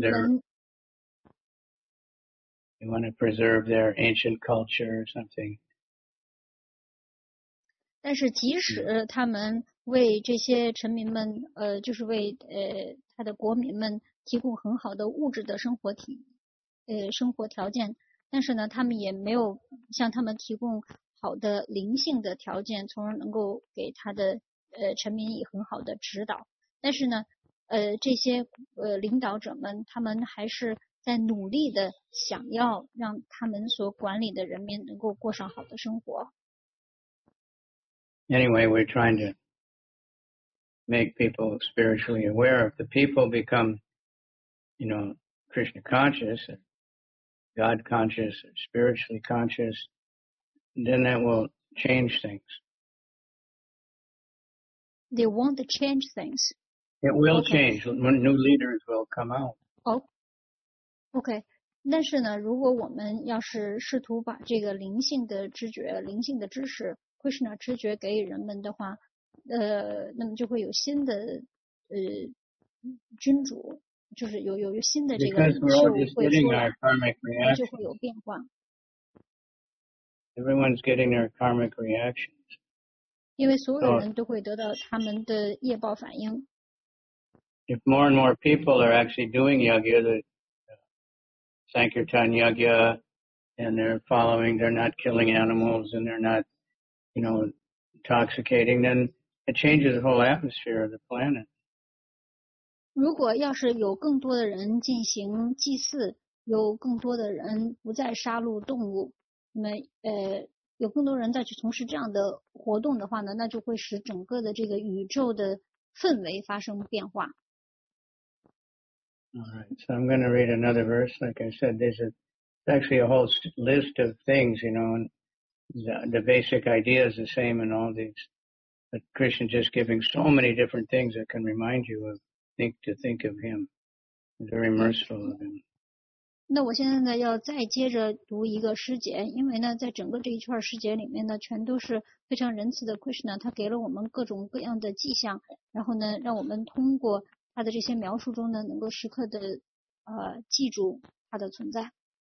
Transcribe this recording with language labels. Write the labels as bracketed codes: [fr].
[zh] 能 [en] ，they want to preserve their ancient culture or something， [zh] 但是即使他们为这些臣民们，就是为他的国民们。提供很好的物质的生活体，生活条件，但是呢，他们也没有向他们提供好的灵性的条件，从而能够给他的臣民以很好的指导。但是呢，这些领导者们，他们还是在努力的想要让他们所管理的人民能够过上好的生活。 [en] Anyway, we're trying to make people spiritually aware. If the people become you know, Krishna conscious, God conscious, spiritually conscious, then that will change things. They want to change things. It will change. New leaders will come out. Oh, okay. [zh] 但是呢，如果我们要是试图把这个灵性的知觉、灵性的知识、Krishna 知觉给予人们的话，那么就会有新的君主。就是有新的这个领袖会出来，就会有变化。 [en] Everyone's getting their karmic reactions. [zh] 因为所有人都会得到他们的业报反应。 [en] If more and more people are actually doing yagya, the Sankirtan yagya, and they're following, they're not killing animals, and they're not, you know, intoxicating, then it changes the whole atmosphere of the planet. [zh] 如果要是有更多的人进行祭祀，有更多的人不再杀戮动物，那么有更多人再去从事这样的活动的话呢，那就会使整个的这个宇宙的氛围发生变化。 [en] All right, so I'm going to read another verse. Like I said, this is actually a whole list of things, you know, and the basic idea is the same in all these. But Krishna just giving so many different things that can remind you of. To think of him, very merciful of him. [zh] 那我现在呢要再接着读一个诗节，因为呢，在整个这一串诗节里面呢，全都是非常仁慈的 Krishna， 他给了我们各种各样的迹象，然后呢，让我们通过他的这些描述中呢，能够时刻的记住他的存在。